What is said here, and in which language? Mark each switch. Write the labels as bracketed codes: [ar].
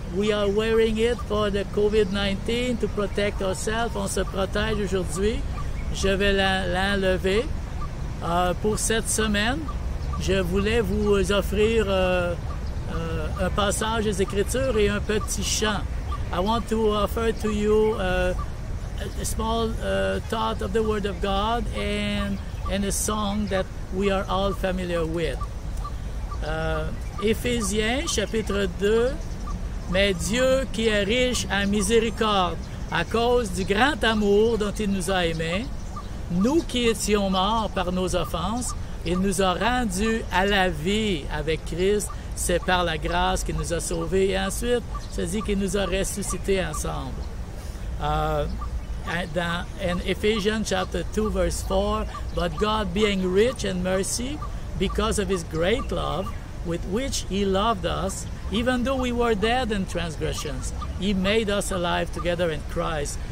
[en] We are wearing it for the COVID-19 to protect ourselves. [fr] On se protège aujourd'hui. Je vais l'enlever. Pour cette semaine, je voulais vous offrir un passage des Écritures et un petit chant. [en] I want to offer to you a small thought of the Word of God and a song that we are all familiar with. [fr] Éphésiens, chapitre 2. Mais Dieu, qui est riche en miséricorde à cause du grand amour dont il nous a aimés, nous qui étions morts par nos offenses, il nous a rendus à la vie avec Christ. C'est par la grâce qu'il nous a sauvés. Et ensuite, ça dit qu'il nous a ressuscités ensemble. [en] In Ephesians chapter 2, verse 4, but God, being rich in mercy, because of his great love with which he loved us, even though we were dead in transgressions, he made us alive together in Christ.